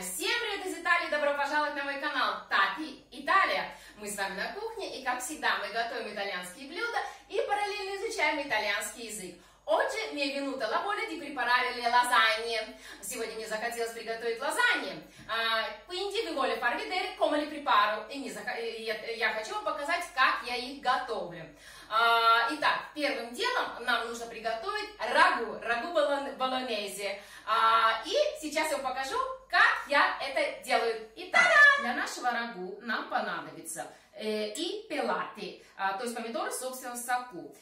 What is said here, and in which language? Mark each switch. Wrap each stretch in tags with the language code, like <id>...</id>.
<ru>Всем привет из Италии, добро пожаловать на мой канал Tati Italia! Мы с вами на кухне, и как всегда, мы готовим итальянские блюда и параллельно изучаем итальянский язык.</ru> <it>Oggi mi è venuta la voglia di preparare le lasagne.</it> <ru>Сегодня мне захотелось приготовить лазанье.</ru> <it>Quindi vi voglio far vedere come le preparo.</it> <ru>И я хочу вам показать, как я их готовлю. Итак, первым делом нам нужно приготовить рагу. Рагу болонезе. И сейчас я вам покажу, как я это делаю. Итак, для нашего рагу нам понадобится и пелати, то есть помидоры, собственно, в соку.</ru>